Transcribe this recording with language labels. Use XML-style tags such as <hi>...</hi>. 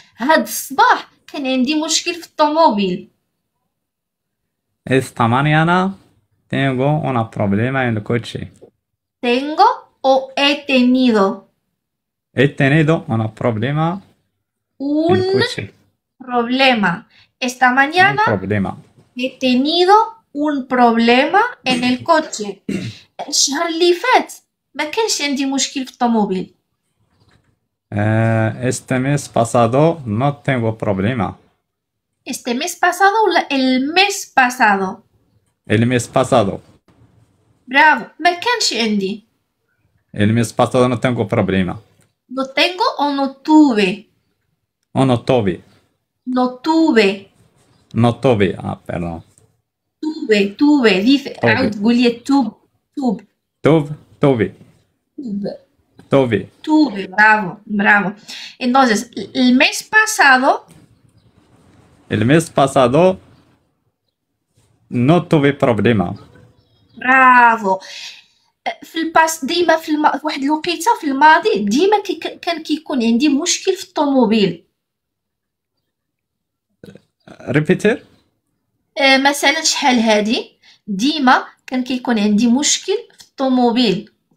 <ar>هاد الصباح كان عندي مشكل في الطوموبيل.</ar> <es>Esta mañana tengo una problema en el coche. Tengo o he tenido He tenido una problema en el un coche. problema. Esta Un mañana problema. he tenido un problema en el coche. الشهر اللي فات ما كانش عندي مشكل في الطوموبيل. Este mes pasado no tengo problema. Este mes pasado, el mes pasado. El mes pasado. Bravo, ¿me canche Andy? El mes pasado no tengo problema. ¿Lo tengo o no tuve? O no tuve. No tuve. No tuve. Ah, perdón. Tuve, dice, Tuve. Gulie, tuve. Tuve. Tuve. Tuve, bravo, bravo. Entonces, el mes pasado. El mes pasado no tuve problema.</es> <ar>برافو. في الباس ديما في واحد الوقيته في الماضي ديما كان كيكون عندي مشكل في الطوموبيل. ريبيتر. مثلا شحال هادي ديما كان كيكون عندي مشكل في الطوموبيل.</ar>